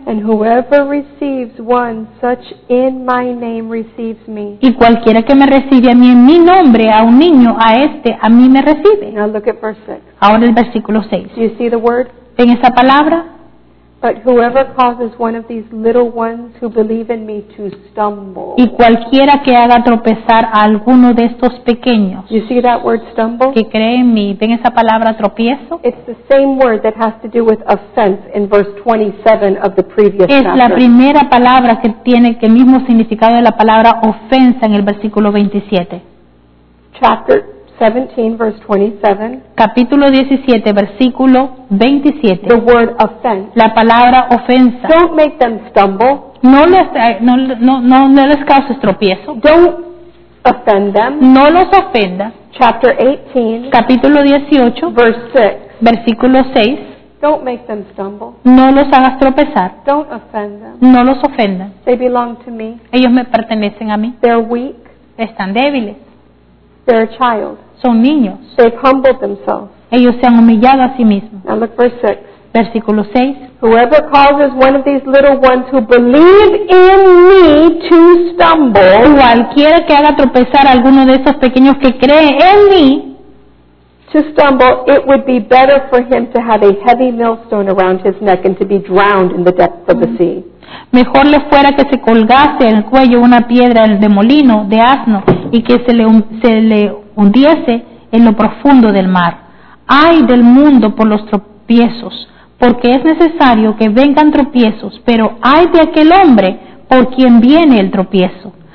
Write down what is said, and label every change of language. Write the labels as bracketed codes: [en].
[en] And whoever receives one such in my name receives me. [es] Y cualquiera que me recibe a mí en mi nombre, a un niño, a este, a mí me recibe. [en] Now look at verse 6. [es] Ahora el versículo 6. [en] You see the word? [es] En esa palabra. [en] But whoever causes one of these little ones who believe in me to stumble. [es] Y cualquiera que haga tropezar a alguno de estos pequeños. [en] You see that word stumble? [es] Que cree en mí. ¿Ven esa palabra tropiezo? [en] It's the same word that has to do with offense in verse 27 of the previous chapter. [es] Es la primera palabra que tiene el mismo significado de la palabra ofensa en el versículo 27. [en] Chapter 17, verse 27. [es] Capítulo 17, versículo 27. [en] The word offense. [es] La palabra ofensa. [en] Don't make them stumble. [es] No les causes tropiezo. [en] Don't offend them. [es] No los ofenda. [en] Chapter 18. [es] Capítulo 18. [en] Verse 6. [es] Versículo 6. [en] Don't make them stumble. [es] No los hagas tropezar. [en] Don't offend them. [es] No los ofenda. [en] They belong to me. [es] Ellos me pertenecen a mí. [en] They're weak. [es] Están débiles. [en] They're a child. [es] Son niños. [en] They've humbled themselves. [es] Ellos se han humillado a sí mismos. [en] Now look verse 6. [es] Versículo 6. [en] Whoever causes one of these little ones who believe in me to stumble. [es] Cualquiera que haga tropezar a alguno de esos pequeños que cree en mí. [en] To stumble, it would be better for him to have a heavy millstone around his neck and to be drowned in the depths of the sea. [es] Mejor le fuera que se colgase en el cuello una piedra de molino de asno y que se le hundiese en lo profundo del mar. ¡Ay del mundo por los tropiezos! Porque es necesario que vengan tropiezos, pero ¡ay de aquel hombre por quien viene el tropiezo!